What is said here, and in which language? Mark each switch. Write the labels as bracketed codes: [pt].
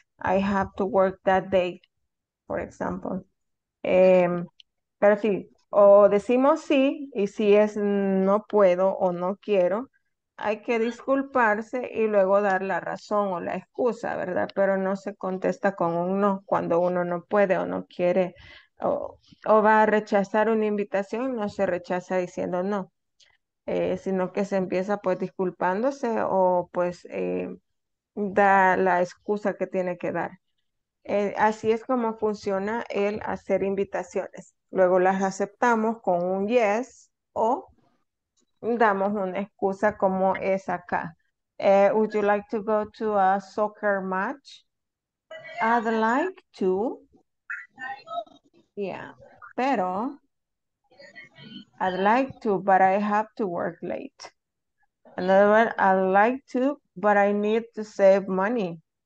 [en] I have to work that day, for example. [es] Pero sí, o decimos sí, y si es no puedo o no quiero, hay que disculparse y luego dar la razón o la excusa, ¿verdad? Pero no se contesta con un no cuando uno no puede o no quiere o va a rechazar una invitación, no se rechaza diciendo no, sino que se empieza pues disculpándose o pues da la excusa que tiene que dar. Así es como funciona el hacer invitaciones. Luego las aceptamos con un yes o damos una excusa como es acá. [en] Would you like to go to a soccer match? I'd like to. Yeah, pero I'd like to, but I have to work late. Another one, I'd like to, but I need to save money.